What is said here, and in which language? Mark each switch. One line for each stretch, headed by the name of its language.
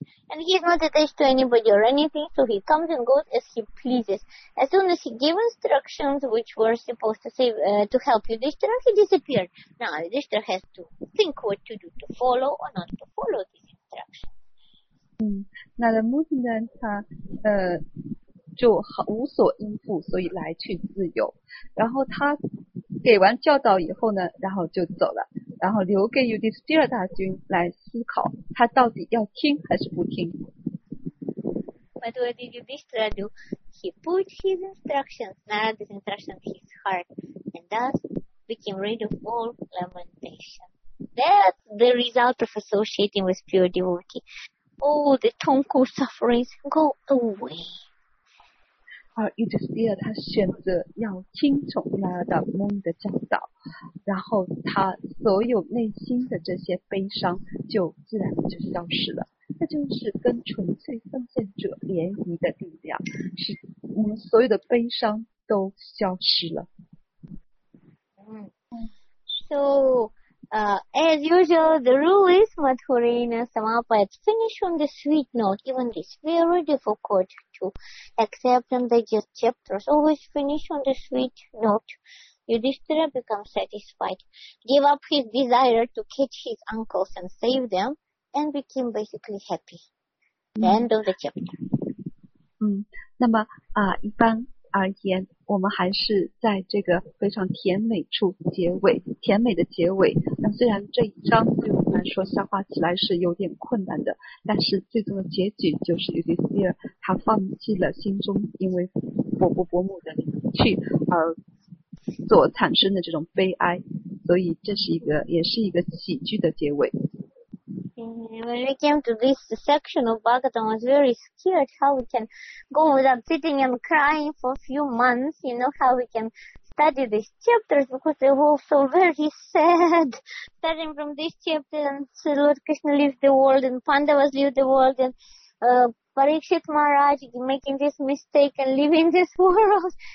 English: And he is not attached to anybody or anything, so he comes and goes as he pleases. As soon as he gave instructions which were supposed to save, to help Yudhishthira, he disappeared. Now Yudhishthira has to think what to do, to follow or not to follow these instructions.
Chinese: 那的目的呢，他就无所应付，所以来去自由。然后他给完教导以后呢，然后就走了。然后留给 Yudhishthira 大君来思考，他到底要听还是不听。
English: But what did Yudhishthira do? He put his instructions, Narada's instructions, in his heart, and thus became rid of all lamentation. That's the result of associating with pure devotee. All the tonku sufferings go away.
Chinese: 而 Yudhishthira 他选择要听从 Narada Muni 的教导，然后他所有内心的这些悲伤就自然就消失了。这就是跟纯粹奉献者联谊的力量，是我们所有的悲伤都消失了。
English: So, as usual, the rule is Madhurina Samapad. Finish on the sweet note, even this very difficult to accept and digest chapters. Always finish on the sweet note. Yudhishthira becomes satisfied, gave up his desire to catch his uncles and save them, and became basically happy. The end of the chapter.
Chinese: 那么一般而言，我们还是在这个非常甜美处结尾，甜美的结尾。那虽然这一章就然说消化起来是有点困难的，但是最终的结局就是 Yudhisthira 他放弃了心中因为伯伯伯母的离去而所产生的这种悲哀，所以这是一个也是一个喜剧的结尾。
English: When we came to this section of Bhagavatam, I was very scared how we can go without sitting and crying for a few months, you know, how we can study these chapters because they were all so very sad. Starting from this chapter, and Lord Krishna leaves the world and Pandavas leave the world andParikshit Maharaj making this mistake and leaving this world.